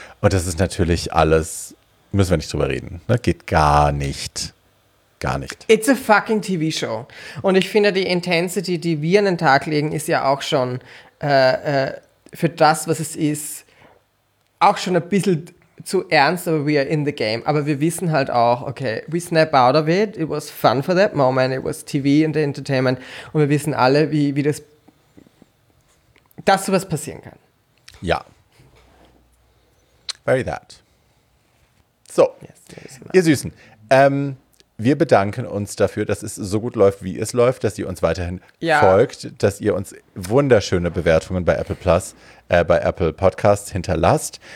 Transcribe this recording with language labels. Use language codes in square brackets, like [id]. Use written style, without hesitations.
[de] Und das ist natürlich alles, müssen wir nicht drüber reden. Ne? Geht gar nicht. Gar nicht. [en] It's a fucking TV show. [de] Und ich finde, die Intensity, die wir an den Tag legen, ist ja auch schon für das, was es ist, auch schon ein bisschen... zu ernst, aber [en] we are in the game. [de] Aber wir wissen halt auch, [en] okay, we snap out of it. It was fun for that moment. It was TV and the entertainment. [de] Und wir wissen alle, wie das, dass sowas passieren kann. Ja. [en] Very that. So, yes, [de] ihr Süßen. Wir bedanken uns dafür, dass es so gut läuft, wie es läuft, dass ihr uns weiterhin folgt, dass ihr uns wunderschöne Bewertungen bei Apple Plus, bei Apple Podcasts hinterlasst.